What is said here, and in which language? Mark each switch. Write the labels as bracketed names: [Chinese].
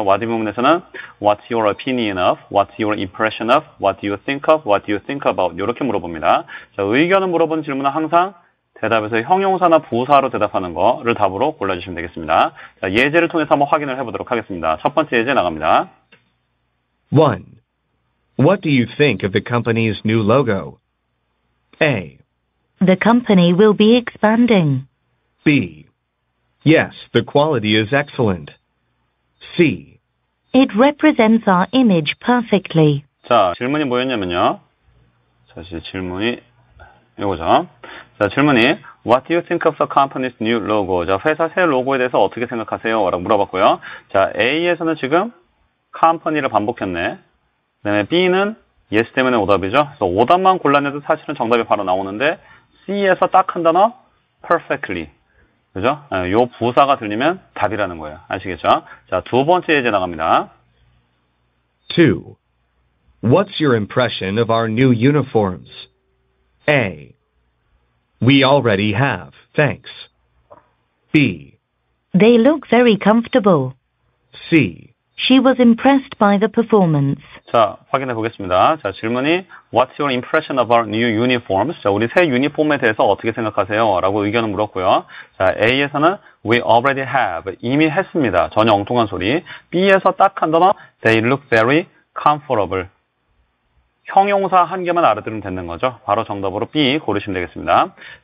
[English] what의 [Korean] 문문에서는 [English] what's your opinion of, what's your impression of, what do you think of, what do you think about [Korean] 요렇게 물어봅니다. 자, 의견을 물어보는 질문은 항상 대답에서 형용사나 부사로 대답하는 거를 답으로 골라주시면 되겠습니다. 자, 예제를 통해서 한번 확인을 해보도록 하겠습니다. 첫 번째 예제 나갑니다. [English] One. What do you think of the company's new logo? A. The company will be expanding. B. Yes, the quality is excellent. C. It represents our image perfectly. [Korean] 자, 질문이 뭐였냐면요. 사실 질문이 이거죠. 자, 질문이 [English] What do you think of the company's new logo? [Korean] 자, 회사 새 로고에 대해서 어떻게 생각하세요? 라고 물어봤고요. 자, A에서는 지금 company를 반복했네. 그다음에 B는 yes 때문에 오답이죠. 그래서 오답만 골라내도 사실은 정답이 바로 나오는데 C에서 딱한 단어 perfectly. 그죠? 요 부사가 들리면 답이라는 거예요. 아시겠죠? 자, 두 번째 예제 나갑니다. [English] Two. What's your impression of our new uniforms? A. We already have, thanks. B. They look very comfortable. C. She was impressed by the performance. [Korean] 자, 확인해 보겠습니다. 자, 질문이 [English] What's your impression of our new uniforms? [Korean] 자, 우리 새 유니폼에 대해서 어떻게 생각하세요? 라고 의견을 물었고요. 자, A에서는 [English] We already have, [Korean] 이미 했습니다. 전혀 엉뚱한 소리. B에서 딱한 단어 [English] They look very comfortable. [Korean] 형용사 한 개만 알아들으면 되는 거죠. 바로 정답으로 B 고르시면 되겠습니다.